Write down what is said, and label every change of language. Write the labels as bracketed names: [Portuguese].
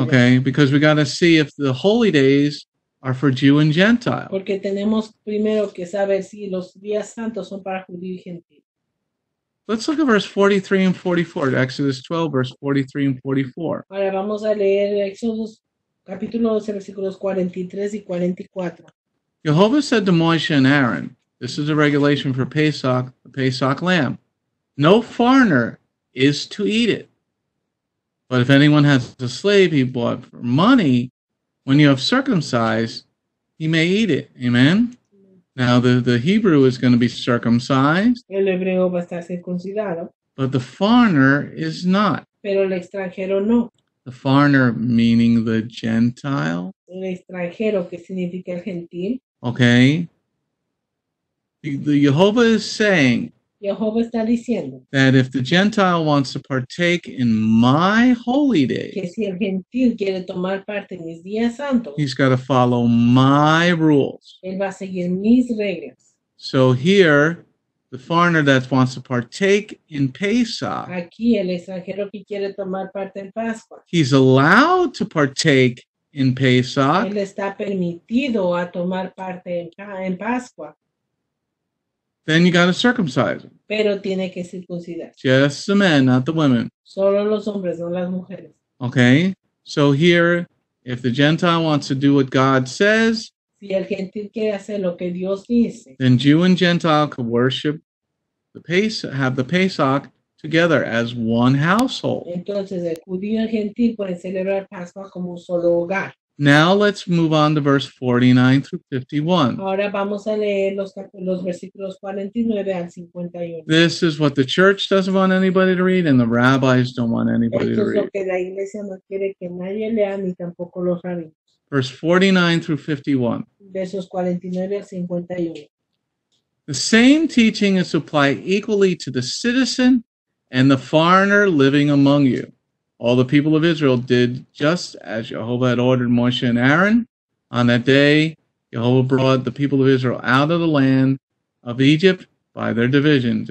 [English] Okay, because we got to see if the holy days are for Jew and Gentile. [Spanish] Porque tenemos primero que saber si los días santos son para judío y gentil. [English] Let's look at verse 43 and 44, Exodus 12, verse 43 and 44. [Spanish] Ahora vamos a leer Exodus capítulo 12, versículos 43 y 44. [English] Jehovah said to Moshe and Aaron, this is a regulation for Pesach, the Pesach lamb. No foreigner is to eat it. But if anyone has a slave he bought for money, when you have circumcised, he may eat it. Amen? Now the Hebrew is going to be circumcised. [Spanish] El hebreo va a estar circuncidado. [English] But the foreigner is not. [Spanish] Pero el extranjero no. [English] The foreigner meaning the Gentile. [Spanish] El extranjero, que significa el gentil. [English] Okay. The Jehovah is saying [Spanish] Jehovah está diciendo [English] that if the Gentile wants to partake in my holy day, [Spanish] que si el gentil quiere tomar parte en mis días santos, [English] he's got to follow my rules. [Spanish] Él va a seguir mis reglas. [English] So here, the foreigner that wants to partake in Pesach, [Spanish] aquí el extranjero que quiere tomar parte en Pascua, [English] he's allowed to partake in Pesach. [Spanish] Él está permitido a tomar parte en Pascua. [English] Then you got to circumcise him. [Spanish] Pero tiene que circuncidar. [English] Just the men, not the women. [Spanish] Solo los hombres, no las mujeres. [English] Okay. So here, if the Gentile wants to do what God says, [Spanish] si Si el gentil quiere hacer lo que Dios dice, [English] then Jew and Gentile could worship the Pesach, have the Pesach together as one household. [Spanish] Entonces, el judío y el gentil pueden celebrar Pascua como un solo hogar. [English] Now let's move on to verse 49 through 51. [Spanish] Ahora vamos a leer los versículos 49 al 51. [English] This is what the church doesn't want anybody to read, and the rabbis don't want anybody [Spanish] esto es [English] to read. [Spanish] Lo que la iglesia no quiere que nadie lea, ni tampoco los rabinos. [English] Verse 49 through 51. [Spanish] Versos 49 al 51. [English] The same teaching is applied equally to the citizen and the foreigner living among you. All the people of Israel did just as Yehovah had ordered Moshe and Aaron. On that day, Yehovah brought the people of Israel out of the land of Egypt by their divisions.